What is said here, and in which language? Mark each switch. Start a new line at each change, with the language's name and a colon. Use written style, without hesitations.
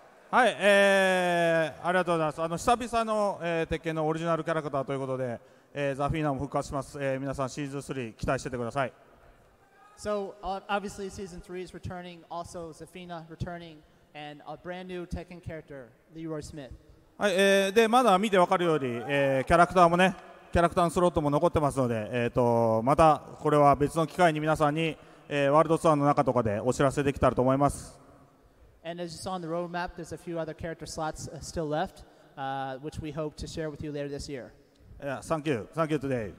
Japanese: はい、ありがとうございます。久々の、鉄拳のオリジナルキャラクターということで、ザ・フィーナも復活します。皆さんシーズン3期待しててください。
English: So, obviously season 3 is returning, also Zafina returning, and a brand new Tekken character, Leroy Smith.
Japanese: はい、で、まだ見てわかるように、キャラクターもね、キャラクターのスロットも残ってますので、またこれは別の機会に皆さんに、ワールドツアーの中とかでお知らせできたらと思います。
English: And as you saw on the roadmap, there's a few other character slots still left, which we hope to share with you later this year. Yeah, thank you. Thank you today.